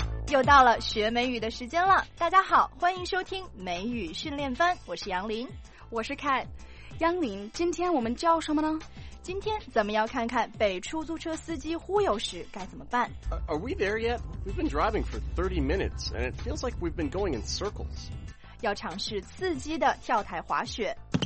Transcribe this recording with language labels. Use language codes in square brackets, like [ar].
[zh] 又到了学美语的时间了，大家好，欢迎收听美语训练班，我是杨林。我是凯。杨林，今天我们教什么呢？今天咱们要看看被出租车司机忽悠时该怎么办。 [en] Are we there yet? We've been driving for 30 minutes and it feels like we've been going in circles. [zh] 要尝试刺激的跳台滑雪。